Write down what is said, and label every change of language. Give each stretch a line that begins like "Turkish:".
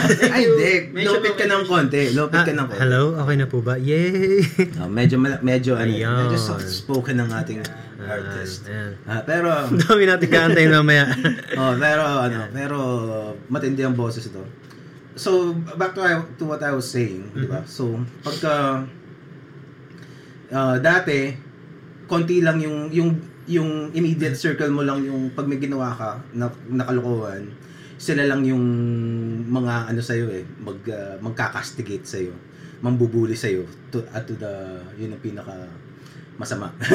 Filipino: Ay, dek. Lupit ka ng konti. Hello? Okay na po ba? Yay! medyo soft-spoken ng ating... artist. Pero dami natin kaantay mamaya. pero matindi ang boses ito.
English: So back to what I was saying, mm-hmm.
Filipino: Diba? So pagka dati konti lang yung immediate circle mo lang yung pag may ginawa ka na nakalukuhan, sila lang yung mga ano sa iyo eh, magkakastigate sa iyo, mambubuli sa iyo yun ang pinaka masama.